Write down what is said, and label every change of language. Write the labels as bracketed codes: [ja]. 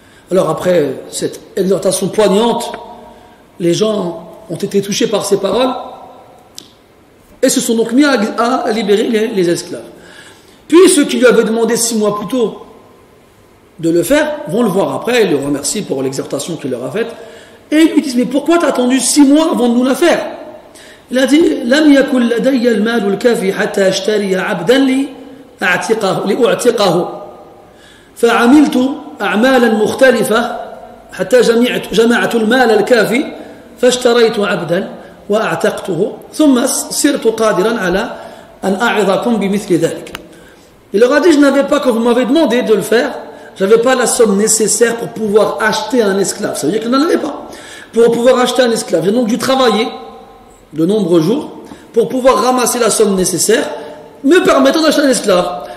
[fr] Alors après cette exhortation poignante, les gens ont été touchés par ces paroles et se sont donc mis à libérer les esclaves. Puis ceux qui lui avaient demandé six mois plus tôt de le faire vont le voir après et le remercient pour l'exhortation qu'il leur a faite. Et ils lui disent, mais pourquoi t'as attendu six mois avant de nous la faire? Il a dit, [ar] لم يكن لدي المال الكافي حتى اشتري عبدا لأعتقه فعملت أعمالا مختلفة حتى جمعت المال الكافي فاشتريت عبدا وأعتقته ثم صرت قادرا على أن أعظكم بمثل ذلك. [fr] Il leur a dit, je n'avais pas, quand vous m'avez demandé de le faire, j'avais pas la somme nécessaire pour pouvoir acheter un esclave. Ça veut dire que je n'en avais pas pour pouvoir acheter un esclave. J'ai donc dû travailler de nombreux jours pour pouvoir ramasser la somme nécessaire me permettant d'acheter un esclave.